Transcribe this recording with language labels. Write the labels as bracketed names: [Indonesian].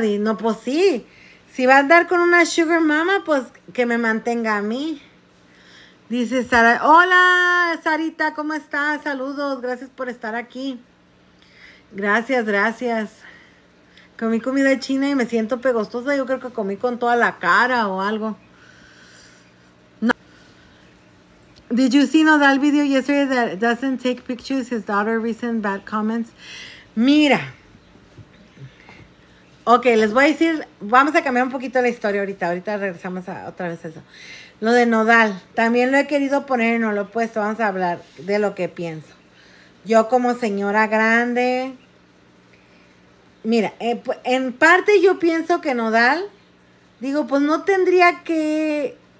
[Spanish] No, pues sí. Si va a andar con una sugar mama, pues que me mantenga a mí. Dice Sara. Hola, Sarita, ¿cómo estás? Saludos, gracias por estar aquí. Gracias, gracias. Comí comida china y me siento pegostosa. Yo creo que comí con toda la cara o algo. No. [English] Did you see Nodal video yesterday that doesn't take pictures his daughter recent bad comments? [Spanish] Mira. Ok, les voy a decir, vamos a cambiar un poquito la historia ahorita regresamos a otra vez a eso. Lo de Nodal, también lo he querido poner y no lo he puesto, vamos a hablar de lo que pienso. Yo como señora grande, mira, en parte yo pienso que Nodal, digo, pues no tendría que